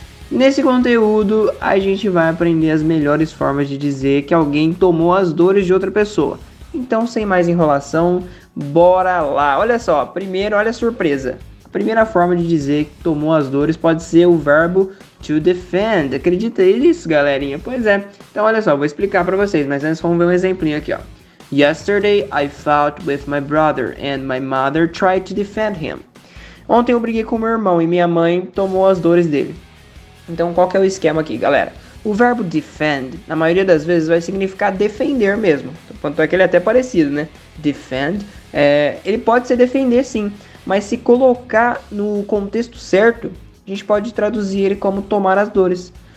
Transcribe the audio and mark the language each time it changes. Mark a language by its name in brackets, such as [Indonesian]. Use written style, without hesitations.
[Portuguese] Nesse conteúdo, a gente vai aprender as melhores formas de dizer que alguém tomou as dores de outra pessoa. Então, sem mais enrolação, bora lá! Olha só, primeiro, olha a surpresa. A primeira forma de dizer que tomou as dores pode ser o verbo to defend. Acredita nisso, galerinha? Pois é. Então, olha só, vou explicar pra vocês, mas antes vamos ver um exemplinho aqui, ó. [English] Yesterday, I fought with my brother and my mother tried to defend him. [Portuguese] Ontem eu briguei com meu irmão e minha mãe tomou as dores dele. Então, qual que é o esquema aqui, galera? O verbo defend, na maioria das vezes, vai significar defender mesmo. Tanto é que ele é até parecido, né? Defend, ele pode ser defender, sim. Mas se colocar no contexto certo, a gente pode traduzir ele como tomar as dores.